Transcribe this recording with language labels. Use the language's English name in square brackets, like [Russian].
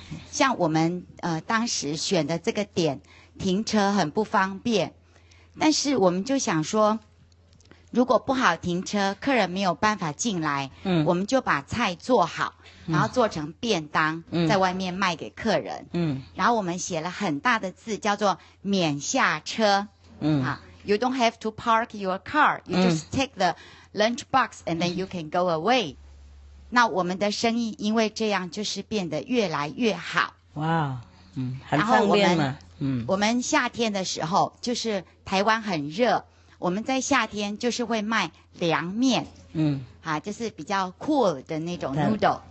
[Chinese] 像我们当时选的这个点停车很不方便，但是我们就想说，如果不好停车，客人没有办法进来，嗯，我们就把菜做好，然后做成便当，嗯，在外面卖给客人，嗯，然后我们写了很大的字，叫做免下车，嗯， [English] 啊 ，You don't have to park your car, you just take the lunch box and then you can go away。 [Chinese] 嗯，那我们的生意因为这样就是变得越来越好。哇，嗯，很方便嘛，嗯，我们夏天的时候就是台湾很热。我们在夏天就是会卖凉面，嗯，啊，就是比较 cool 的那种 noodle，